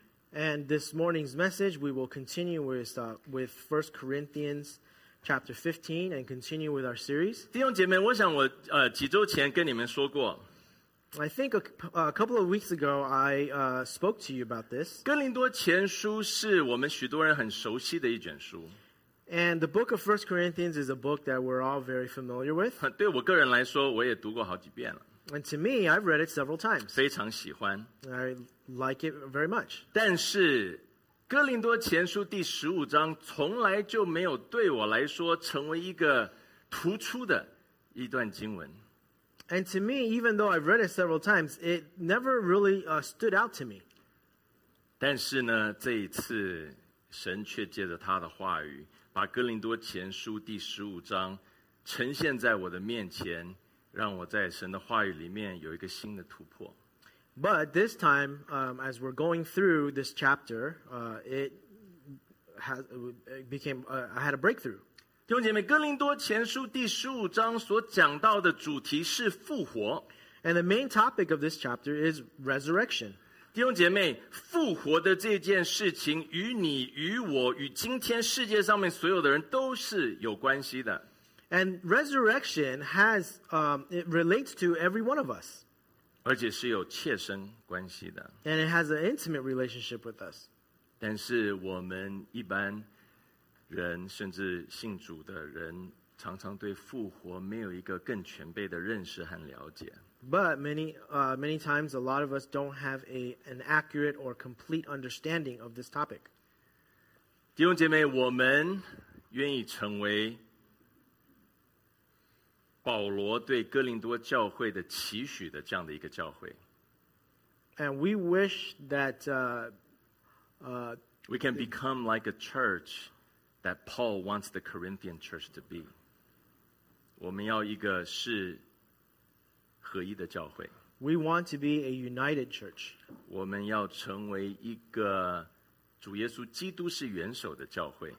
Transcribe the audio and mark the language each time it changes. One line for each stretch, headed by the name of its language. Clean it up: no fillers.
English: And this morning's message, we will continue with 1 Corinthians chapter 15 and continue with our series.
Chinese: 弟兄姐妹，我想我几周前跟你们说过。
English: I think a couple of weeks ago, I spoke to you about this.
Chinese: 哥林多前书是我们许多人很熟悉的一卷书。
English: And the book of 1 Corinthians is a book that we're all very familiar with.
Chinese: 对我个人来说，我也读过好几遍了。
English: And to me, I've read it several times.
Chinese: 非常喜欢。
English: I like it very much.
Chinese: 但是哥林多前书第十五章从来就没有对我来说成为一个突出的一段经文。
English: And to me, even though I've read it several times, it never really stood out to me.
Chinese: 但是呢，这一次神却借着他的话语，把哥林多前书第十五章呈现在我的面前。让我在神的话语里面有一个新的突破。
English: But this time, as we're going through this chapter, I had a breakthrough.
Chinese: 弟兄姐妹，哥林多前书第十五章所讲到的主题是复活。
English: And the main topic of this chapter is resurrection.
Chinese: 弟兄姐妹，复活的这件事情与你、与我、与今天世界上面所有的人都是有关系的。
English: And resurrection has, it relates to every one of us.
Chinese: 而且是有切身关系的。
English: And it has an intimate relationship with us.
Chinese: 但是我们一般人，甚至信主的人，常常对复活没有一个更全备的认识和了解。
English: But many times a lot of us don't have an accurate or complete understanding of this topic.
Chinese: 弟兄姐妹，我们愿意成为保罗对哥林多教会的期许的这样的一个教会。
English: And we wish that we can become like a church that Paul wants the Corinthian church to be.
Chinese: 我们要一个是合一的教会。
English: We want to be a united church.
Chinese: 我们要成为一个主耶稣基督是元首的教会。